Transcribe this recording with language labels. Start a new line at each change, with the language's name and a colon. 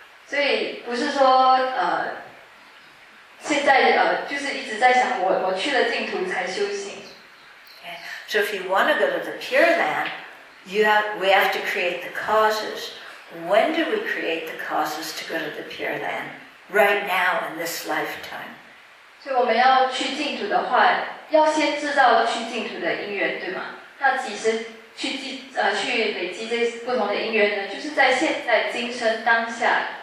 Chinese: 所以不是说现在就是一直在想我去了净土才修行。So
English: if you want to go to the pure land, we have to create the causes. When do we create the causes to go to the pure land? Right now in this lifetime.
Chinese: 所以我们要去净土的话，要先制造去净土的因缘，对吗？那几时去累积这不同的因缘呢？就是在现在今生当下。